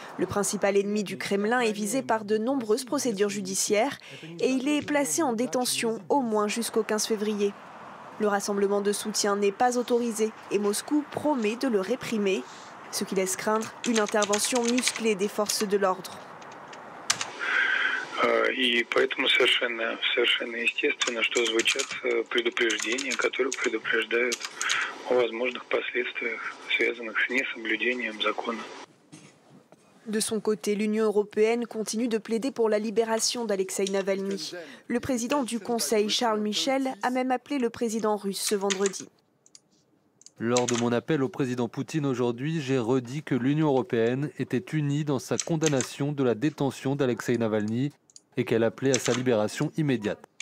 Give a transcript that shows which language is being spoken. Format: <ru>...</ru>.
<fr>Le principal ennemi du Kremlin est visé par de nombreuses procédures judiciaires et il est placé en détention au moins jusqu'au 15 février. Le rassemblement de soutien n'est pas autorisé et Moscou promet de le réprimer, ce qui laisse craindre une intervention musclée des forces de l'ordre.</fr> <ru>И поэтому совершенно естественно, что звучат предупреждения, которые предупреждают о возможных последствиях, связанных с несоблюдением закона.</ru> <fr>De son côté, l'Union européenne continue de plaider pour la libération d'Alexei Navalny. Le président du Conseil, Charles Michel, a même appelé le président russe ce vendredi. Lors de mon appel au président Poutine aujourd'hui, j'ai redit que l'Union européenne était unie dans sa condamnation de la détention d'Alexei Navalny et qu'elle appelait à sa libération immédiate.</fr>